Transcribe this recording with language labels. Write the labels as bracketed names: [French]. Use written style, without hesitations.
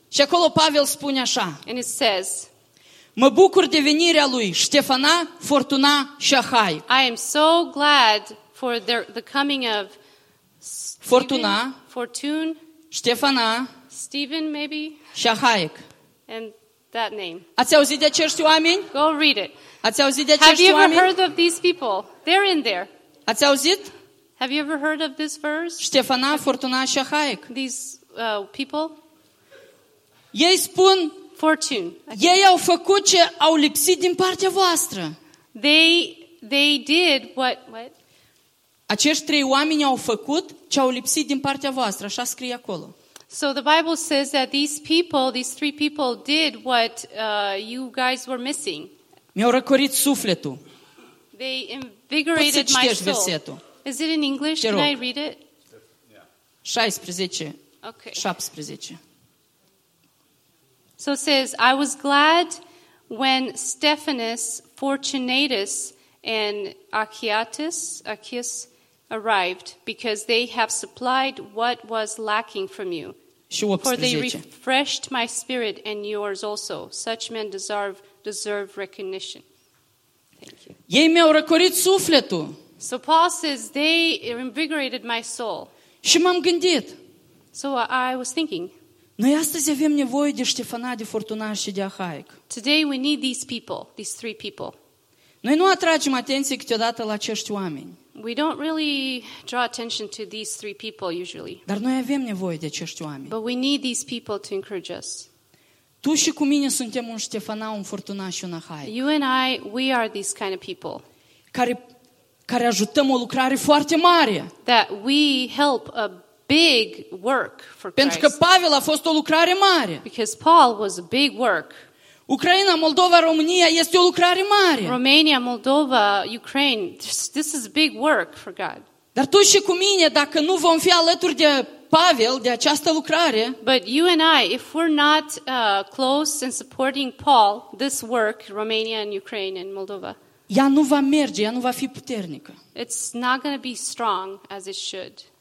[Romanian] Și acolo Pavel spune așa. [English] And it says, [Romanian] mă bucur de venirea lui Ștefana, Fortuna și Ahai. [English] I am so glad for the coming of Stephen, [Romanian] Fortuna, [English] Fortune, [Romanian] Ștefana, [English] Stephen maybe, [Romanian] și Ahai. [English] And that name. [Romanian] Ați auzit de acești oameni? [English] Go read it. [Romanian] Ați auzit de acești oameni? [English] Have you ever heard of these people? They're in there. [Romanian] Ați auzit? [English] Have you ever heard of this verse? [Romanian] Ștefana, Fortuna și Ahai. [English] These people? [Romanian] Ei spun [English] Fortune. [Romanian] Ei au făcut ce au lipsit din partea voastră. [English] They did what? [Romanian] Acești trei oameni au făcut ce au lipsit din partea voastră, așa scrie acolo. [English] So the Bible says that these people, these three people did what you guys were missing. [Romanian] Mi-au răcorit sufletul. [English] They invigorated my soul. [Romanian] Versetul. [English] Is it in English? Can I read it? 16. Okay. 17. So it says, I was glad when Stephanus, Fortunatus, and Achaeus arrived, because they have supplied what was lacking from you. For they refreshed my spirit and yours also. Such men deserve recognition. Thank you. [Romanian] Ei mi-au răcorit sufletul. [English] So Paul says, they invigorated my soul. [Romanian] Și m-am gândit. [English] So I was thinking, [Romanian] noi astăzi avem nevoie de Ștefana, de Fortuna și de Ahaic. [English] Today we need these people, these three people. [Romanian] Noi nu atragem atenție câteodată la acești oameni. [English] We don't really draw attention to these three people usually. [Romanian] Dar noi avem nevoie de acești oameni. [English] But we need these people to encourage us. [Romanian] Tu și cu mine suntem un Ștefana, un Fortuna și un Ahaic. [English] You and I, we are these kind of people. [Romanian] Care ajutăm o lucrare foarte mare. [English] That we help a big work for Christ. [Romanian] Pentru că Pavel a fost o lucrare mare. [English] Because Paul was a big work. [Romanian] Ucraina, Moldova, România este o lucrare mare. [English] Romania, Moldova, Ukraine, this is a big work for God. [Romanian] Dar tu și cu mine, dacă nu vom fi alături de Pavel, de această lucrare, [English] but you and I, if we're not close and supporting Paul, this work, Romania and Ukraine and Moldova, [Romanian] ea nu va merge, ea nu va fi puternică. [English] It's not going to be strong as it should.